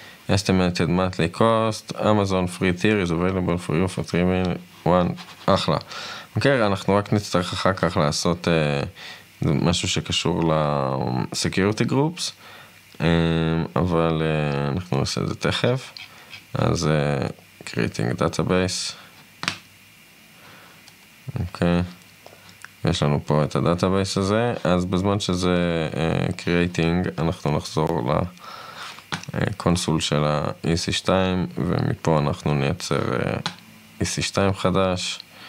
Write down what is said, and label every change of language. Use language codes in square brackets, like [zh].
[en] Estimated Monthly Cost, Amazon Free Tier is available for you for 3-1, אחלה. [he] אוקיי, אנחנו רק נצטרך אחר כך לעשות משהו שקשור ל-Security Groups, אבל אנחנו נעשה את זה תכף. אז Creating Database. אוקיי. יש לנו פה את הדאטאבייס הזה, אז בזמן שזה Creating, אנחנו נחזור לקונסול של ה-EC2, ומפה אנחנו נייצר EC2 חדש.